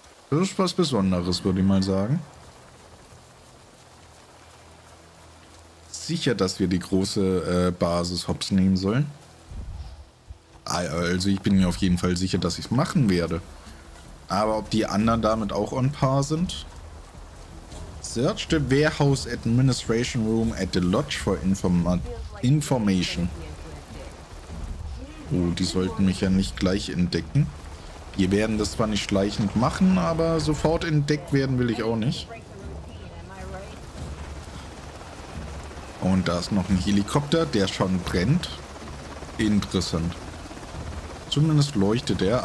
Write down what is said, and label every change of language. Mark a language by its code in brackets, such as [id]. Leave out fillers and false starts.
[de] Das ist was Besonderes, würde ich mal sagen. Sicher, dass wir die große Basis hops nehmen sollen. Also ich bin mir auf jeden Fall sicher, dass ich es machen werde. Aber ob die anderen damit auch on par sind? [en] Search the warehouse administration room at the lodge for information. [de] Oh, die sollten mich ja nicht gleich entdecken. Wir werden das zwar nicht schleichend machen, aber sofort entdeckt werden will ich auch nicht. Und da ist noch ein Helikopter, der schon brennt. Interessant. Zumindest leuchtet er.